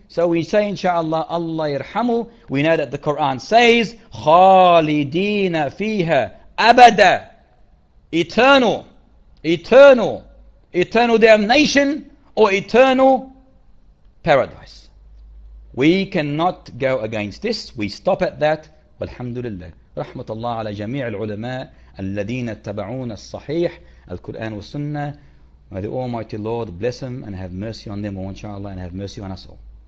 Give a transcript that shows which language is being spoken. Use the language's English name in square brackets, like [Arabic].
[English] So we say, inshallah, Allah irhamu. We know that the Quran says, [Arabic] خَالِدِينَ فِيهَا أَبَدًا. [English] Eternal. Eternal. Eternal damnation or eternal paradise. We cannot go against this. We stop at that. Alhamdulillah. [Arabic] رحمة الله على جميع العلماء الذين تبعون الصحيح القرآن والسنة. [English] May the Almighty Lord bless them and have mercy on them, inshallah, and have mercy on us all.